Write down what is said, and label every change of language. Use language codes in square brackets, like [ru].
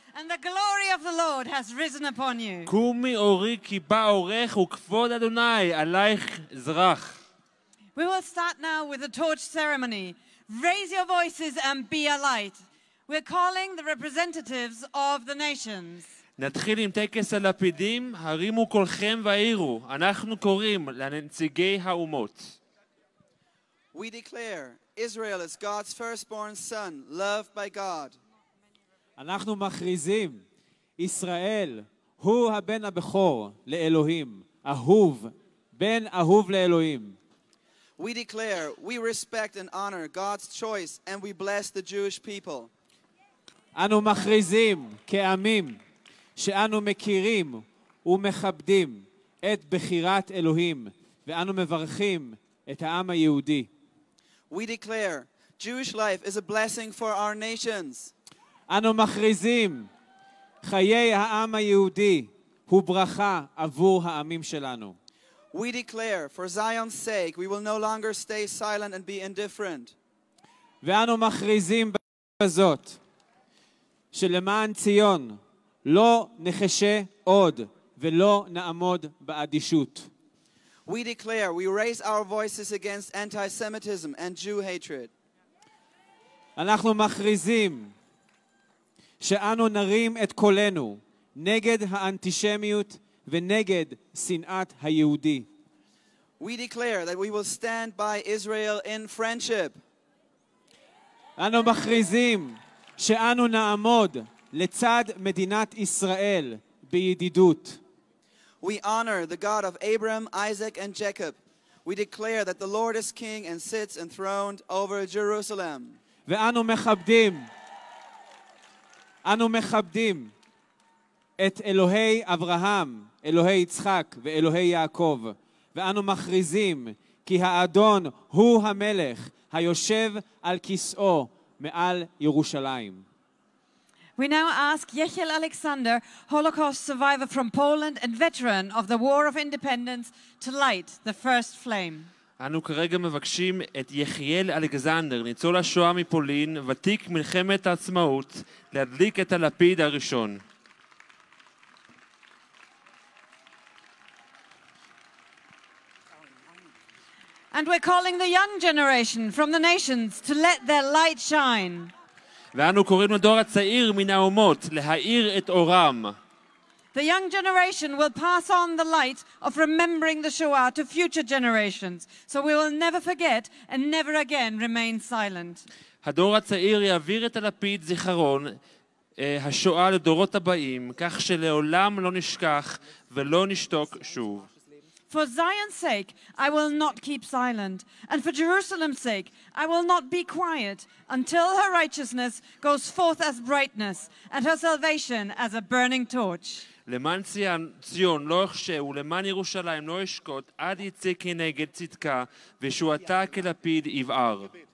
[en] and the glory of the Lord has risen upon you. [he] קומי אורי כי בא אורך וכבוד אדוני עלייך זרח. [en] We will start now with the torch ceremony. Raise your voices and be a light. We're calling the representatives of the nations. [he] נתחיל עם טקס הלפידים, הרימו קולכם ואירו. אנחנו קוראים לנציגי האומות. [en] We declare Israel is God's firstborn son, loved by God. [he] אנחנו מכריזים, ישראל הוא הבן הבכור לאלוהים, אהוב, בן אהוב לאלוהים. [en] We declare, we respect and honor God's choice and we bless the Jewish people. [he] אנו מכריזים כעמים שאנו מכירים ומכבדים את בחירת אלוהים ואנו מברכים את העם היהודי. [en] We declare Jewish life is a blessing for our nations. [he] אנו מכריזים חיי העם היהודי הוא ברכה עבור העמים שלנו. [en] We declare for Zion's sake we will no longer stay silent and be indifferent. [he] ואנו מכריזים בזאת שלמען ציון לא נחשה עוד ולא נעמוד באדישות. [en] We declare we raise our voices against anti-Semitism and Jew hatred. [he] אנחנו מכריזים שאנו נרים את קולנו נגד האנטישמיות ונגד שנאת היהודי. [en] We declare that we will stand by Israel in friendship. [he] אנו מכריזים שאנו נעמוד לצד מדינת ישראל בידידות. [en] We honor the God of Abraham, Isaac and Jacob. We declare that the Lord is king and sits enthroned over Jerusalem. [he] ואנו מכבדים את אלוהי אברהם, אלוהי יצחק ואלוהי יעקב. ואנו מכריזים כי האדון הוא המלך היושב על כיסאו מעל ירושלים. [en] We now ask Yechiel Alexander, Holocaust survivor from Poland and veteran of the War of Independence, to light the first flame. [he] אנו כרגע מבקשים את יחיאל אלכסנדר, ניצול השואה מפולין, ותיק מלחמת העצמאות, להדליק את הלפיד הראשון. [en] And we're calling the young generation from the nations to let their light shine. [he] ואנו קוראים לדור הצעיר מן האומות להאיר את אורם. [en] The young generation will pass on the light of remembering the Shoah to future generations, so we will never forget and never again remain silent. [he] הדור הצעיר יעביר את הלפיד זיכרון השואה לדורות הבאים, כך שלעולם לא נשכח ולא נשתוק שוב. [en] For Zion's sake, I will not keep silent. And for Jerusalem's sake, I will not be quiet until her righteousness goes forth as brightness and her salvation as a burning torch. [he] למען ציון לא אחשה ולמען ירושלים לא אשקוט עד יצא כנגד צדקה וישועתה כלפיד יבער.